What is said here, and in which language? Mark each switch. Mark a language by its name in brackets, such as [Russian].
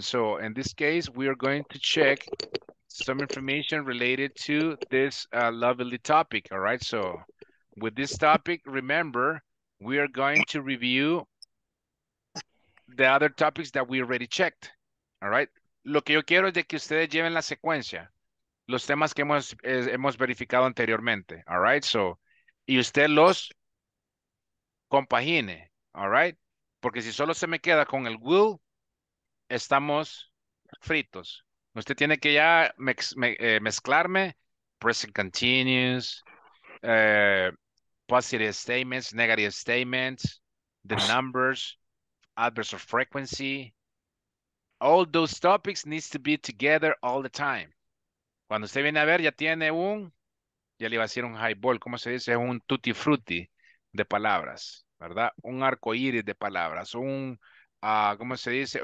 [English] So in this case, we are going to check some information related to this lovely topic, all right? So with this topic, remember, we are going to review the other topics that we already checked, all right? [Spanish] Lo que yo quiero es de que ustedes lleven la secuencia, los temas que hemos verificado anteriormente, [English] all right? [Spanish] So, y usted los compagine, [English] all right? [Spanish] Porque si solo se me queda con el will, estamos fritos. Usted tiene que ya mezclarme. [English] Present continuous, positive statements, negative statements, the numbers, adverbs of frequency. All those topics needs to be together all the time. [Spanish] Cuando usted viene a ver, ya tiene un, ya le iba a decir un highball, ¿cómo se dice? Un tutti frutti de palabras. ¿Verdad? Un arco iris de palabras, un, ¿cómo se dice?